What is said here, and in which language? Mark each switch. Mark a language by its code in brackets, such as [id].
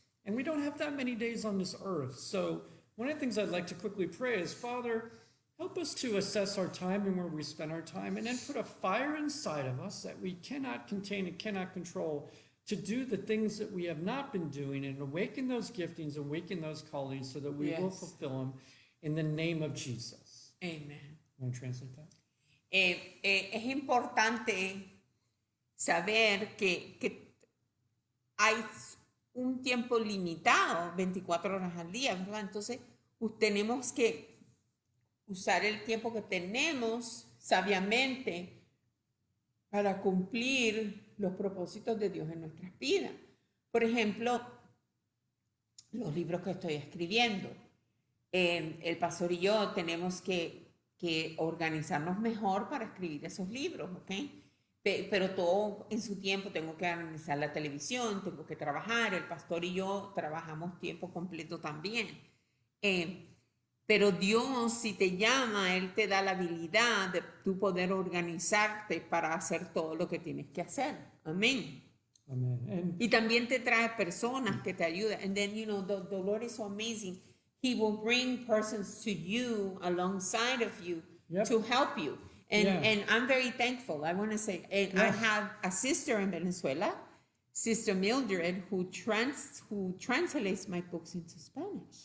[en] And we don't have that many days on this earth. So one of the things I'd like to quickly pray is, Father, help us to assess our time and where we spend our time, and then put a fire inside of us that we cannot contain and cannot control to do the things that we have not been doing, and awaken those giftings, awaken those callings so that we, yes, will fulfill them in the name of Jesus. Amen. Want to translate that? [es] Es importante saber que hay un tiempo limitado, 24 horas al día, ¿verdad? Entonces, tenemos que usar el tiempo que tenemos sabiamente para cumplir los propósitos de Dios en nuestras vidas. Por ejemplo, los libros que estoy escribiendo. El pastor y yo tenemos que organizarnos mejor para escribir esos libros, ¿ok? Pero todo en su tiempo. Tengo que organizar la televisión, tengo que trabajar. El pastor y yo trabajamos tiempo completo también. Pero Dios, si te llama, Él te da la habilidad de tú poder organizarte para hacer todo lo que tienes que hacer. Amén. Amén. Y también te trae personas que te ayudan. [en] And then, you know, the Lord is so amazing. He will bring persons to you alongside of you, yep, to help you. And, yeah, and I'm very thankful. I want to say, and yes, I have a sister in Venezuela, Sister Mildred, who translates my books into Spanish.